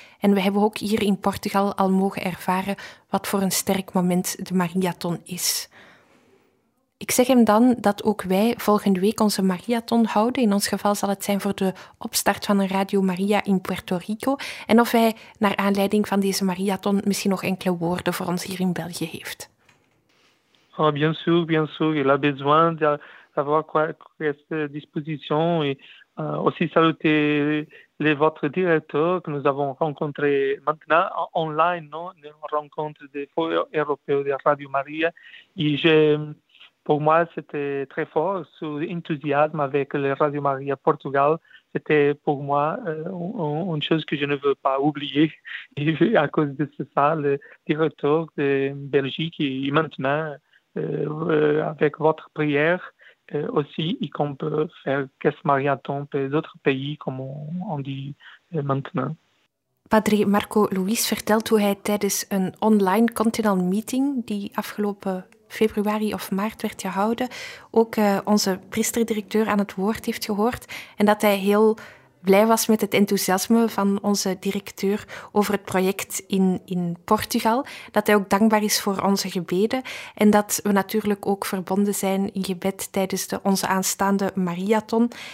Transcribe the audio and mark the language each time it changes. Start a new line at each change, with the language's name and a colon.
Dutch: En we hebben ook hier in Portugal al mogen ervaren wat voor een sterk moment de marathon is. Ik zeg hem dan dat ook wij volgende week onze marathon houden. In ons geval zal het zijn voor de opstart van een Radio Maria in Puerto Rico. En of hij naar aanleiding van deze marathon misschien nog enkele woorden voor ons hier in België heeft.
French: Oh, bien sûr, il a besoin d'avoir cette disposition et aussi saluer les votre directeur que nous avons rencontré maintenant online, non, une rencontre des foyers européens de Radio Maria. Et j'ai Pour moi, c'était très fort, ce enthousiasme avec le Radio Maria Portugal. C'était pour moi une chose que je ne veux pas oublier. Et à cause de ça, le directeur de Belgique, et maintenant, avec votre prière aussi, et qu'on peut faire qu'est-ce marathon pour d'autres pays, comme on dit maintenant.
Dutch: Padre Marco Luis vertelt hoe hij tijdens een online continental meeting die afgelopen februari of maart werd gehouden, ook onze priesterdirecteur aan het woord heeft gehoord en dat hij heel blij was met het enthousiasme van onze directeur over het project in Portugal, dat hij ook dankbaar is voor onze gebeden en dat we natuurlijk ook verbonden zijn in gebed tijdens onze aanstaande marathon.